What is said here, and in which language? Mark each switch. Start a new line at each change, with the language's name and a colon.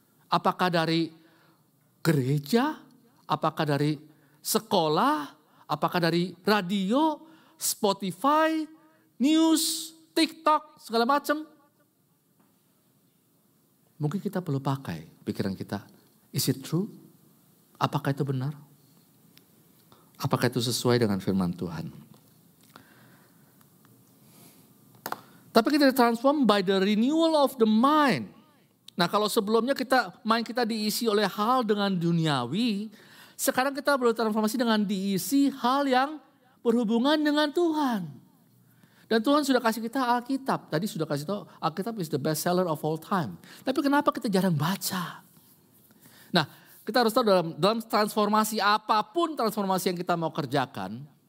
Indonesian: Apakah dari gereja, apakah dari sekolah, apakah dari radio, Spotify, news, TikTok, segala macam. Mungkin kita perlu pakai pikiran kita.
English: Is it true?
Indonesian: Apakah itu benar? Apakah itu sesuai dengan firman Tuhan? Tapi kita
English: transform by the renewal of the mind.
Indonesian: Nah kalau sebelumnya kita mind kita diisi oleh hal dengan duniawi, sekarang kita perlu transformasi dengan diisi hal yang berhubungan dengan Tuhan. Dan Tuhan sudah kasih kita Alkitab. Tadi sudah kasih tahu Alkitab
English: is the best seller of all time.
Indonesian: Tapi kenapa kita jarang baca? Nah kita harus tahu dalam transformasi apapun transformasi yang kita mau kerjakan.